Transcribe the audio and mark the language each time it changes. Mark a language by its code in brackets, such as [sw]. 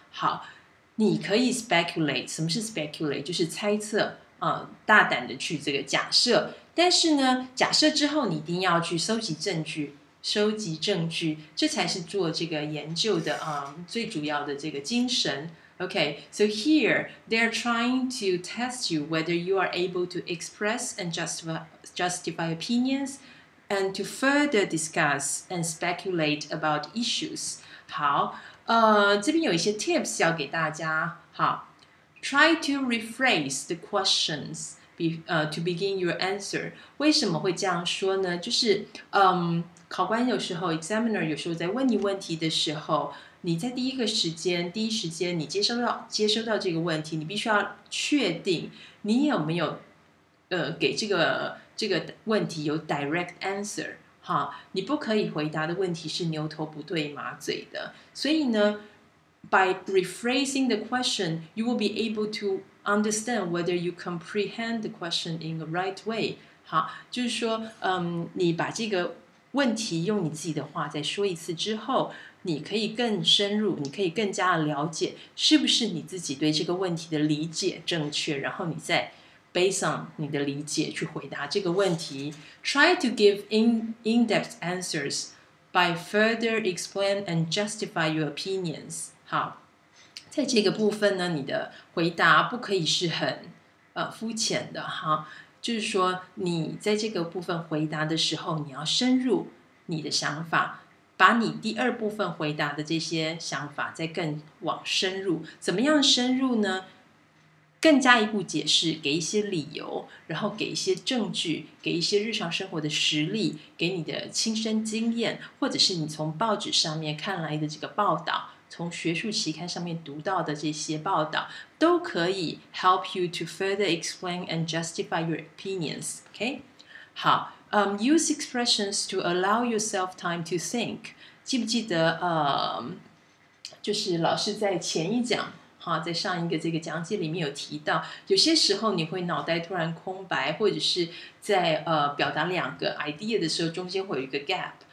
[zh] 好，你可以 speculate， 什么是 speculate？就是猜测，大胆的去这个假设。但是呢，假设之后你一定要去收集证据，收集证据，这才是做这个研究的最主要的这个精神。 [en] Okay, so here they're trying to test you whether you are able to express and justify opinions and to further discuss and speculate about issues. [zh] 好。这边有一些 tips 要给大家。 [en] 好， try to rephrase the questions to begin your answer. [zh] 为什么会这样说呢？就是考官有时候 examiner 有时候在问你问题的时候，你在第一时间你接收到这个问题，你必须要确定你有没有给这个问题有 [en] direct answer。 [zh] 好，你不可以回答的问题是牛头不对马嘴的。所以呢 [en] by rephrasing the question, you will be able to understand whether you comprehend the question in the right way. [zh] 好，就是说你把这个问题用你自己的话再说一次之后，你可以更深入，你可以更加了解是不是你自己对这个问题的理解正确，然后你再 [en] Based on [zh] 你的理解去回答这个问题。 [en] Try to give in-depth answers by further explain and justify your opinions. [zh] 好，在这个部分呢，你的回答不可以是很肤浅的哈，就是说你在这个部分回答的时候，你要深入你的想法，把你第二部分回答的这些想法再更往深入。怎么样深入呢？更加一步解释，给一些理由，然后给一些证据，给一些日常生活的实例，给你的亲身经验，或者是你从报纸上面看来的这个报道，从学术期刊上面读到的这些报道，都可以 [en] help you to further explain and justify your opinions. Okay? 好，use expressions to allow yourself time to think. [zh] 记不记得就是老师在前一讲好，在上一个这个讲解里面有提到，有些时候你会脑袋突然空白，或者是在表达两个 idea 的时候中间会有一个 gap。